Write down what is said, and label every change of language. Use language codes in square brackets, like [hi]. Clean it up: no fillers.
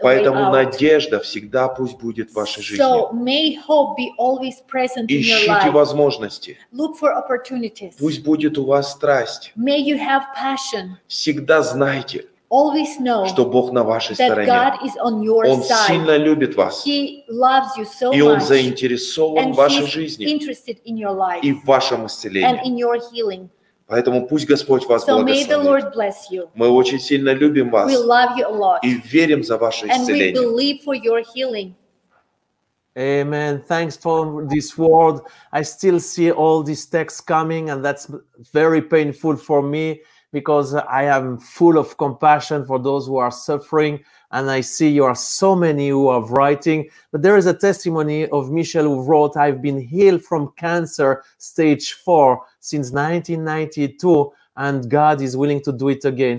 [ru] Поэтому надежда всегда пусть будет в вашей жизни. [en] So may hope be always present in your life. [ru] Ищите возможности. [en] Look for opportunities. [ru] Пусть будет у вас страсть. [en] May you have passion. [ru] Всегда знайте, [en] always know, [ru] что Бог на вашей [en] that [ru] стороне. [en] God is on your [ru] он [en] side. [ru] Сильно любит вас. [en] He loves you so [ru] и Он [en] much. [ru] Заинтересован [en] and [ru] в вашей жизни [en] interested in your life. [ru] И в вашем исцелении. [en] And in your healing. [ru] Поэтому пусть Господь вас [en] so [ru] благословит. Мы очень сильно любим вас и верим за ваше исцеление. [en] Amen. Thanks for this word. I still see all these texts coming, and that's very painful for me because I am full of compassion for those who are suffering, and I see you are so many who are writing. But there is a testimony of Michelle who wrote, "I've been healed from cancer stage 4 since 1992, and God is willing to do it again."